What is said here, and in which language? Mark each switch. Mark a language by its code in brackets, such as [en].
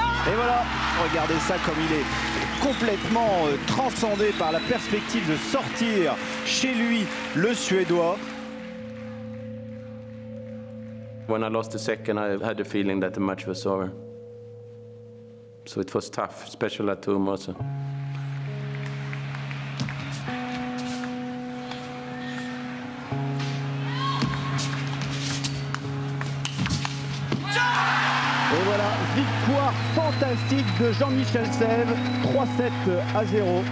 [fr] Et voilà, regardez ça comme il est complètement transcendé par la perspective de sortir chez lui le Suédois. [en] When I lost the second, I had a feeling that the match was over. So it was tough, especially at home also. [fr] Et voilà, victoire fantastique de Jean-Michel Sèvres, 3-7 à 0.